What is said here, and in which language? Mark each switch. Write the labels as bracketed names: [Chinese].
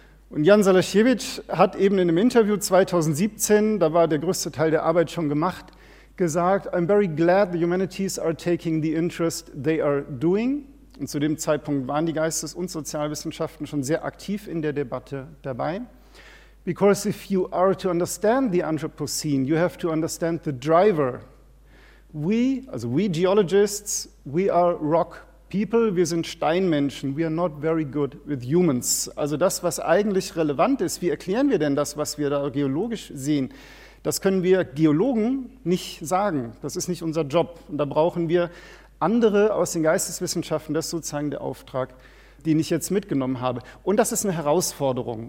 [German] Und Jan Salasiewicz hat eben in einem Interview 2017, da war der größte Teil der Arbeit schon gemacht, gesagt, [English] I'm very glad the humanities are taking the interest they are doing. [German] Und zu dem Zeitpunkt waren die Geistes- und Sozialwissenschaften schon sehr aktiv in der Debatte dabei. [English] Because if you are to understand the Anthropocene, you have to understand the driver. We geologists, we are rock people, [German] wir sind Steinmenschen, [English] we are not very good with humans. [German] Also das, was eigentlich relevant ist, wie erklären wir denn das, was wir da geologisch sehen? Das können wir Geologen nicht sagen. Das ist nicht unser Job. Und da brauchen wir andere aus den Geisteswissenschaften. Das ist sozusagen der Auftrag, den ich jetzt mitgenommen habe. Und das ist eine Herausforderung.